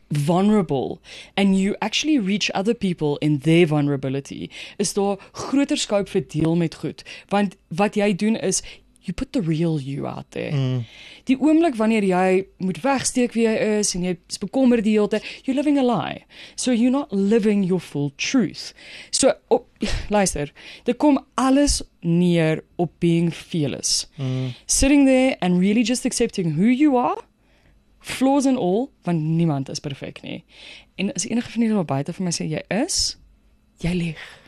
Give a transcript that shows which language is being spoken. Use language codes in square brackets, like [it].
[en] vulnerable and you actually reach other people in their vulnerability, [af] is daar groter scope vir deel met goed. Want wat jy doen is, [en] you put the real you out there. Mm. [af] Die oomblik wanneer jy moet wegsteek wie jy is en jy is bekommer die hele tyd, [en] you're living a lie. So you're not living your full truth. So, oh, [af] luister, dit kom alles neer op [en] being fearless. Mm. Sitting there and really just accepting who you are, flaws and all, [af] want niemand is perfect nie. En as enige van hierdie buite vir my sê, jy is, jy lieg.